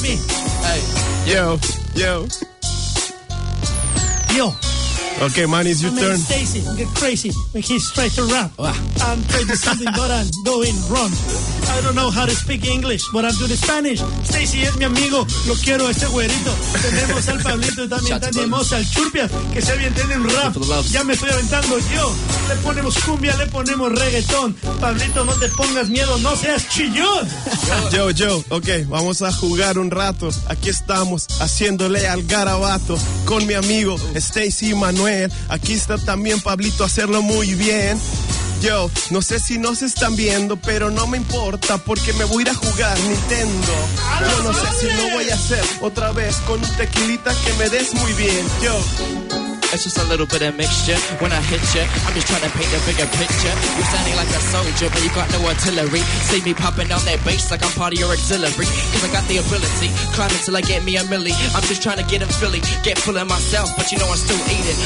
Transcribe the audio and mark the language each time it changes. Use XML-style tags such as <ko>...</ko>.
<en>Hey, yo. Okay, man, it's your turn. Stacy, get crazy. He's trying to rap. I'm trying to something, but I'm going wrong. I don't know how to speak English, but I'm doing Spanish.</en> <es>Stacy es mi amigo. Lo quiero ese güerito. Tenemos al Pablito y también tenemos al Churpias, que se avienten en rap. Ya me estoy aventando yo. Le ponemos cumbia, le ponemos reggaetón. Pablito, no te pongas miedo, no seas chillón. Yo. Okay, vamos a jugar un rato. Aquí estamos, haciéndole al garabato. Con mi amigo, Stacy, man. Manuel, aquí está también Pablito hacerlo muy bien. Yo, no sé si nos están viendo, pero no me importa porque me voy a ir a jugar Nintendo. Yo no sé si lo voy a hacer otra vez con un tequilita que me des muy bien. Yo.</es> <en>It's just a little bit of mixture. When I hit you, I'm just trying to paint a bigger picture. You're sounding like a soldier, but you got no artillery. See me popping on that bass like I'm part of your auxiliary. Cause I got the ability, climb until I get me a milli. I'm just trying to get a filly, get full of myself, but you know I'm still eating.</en>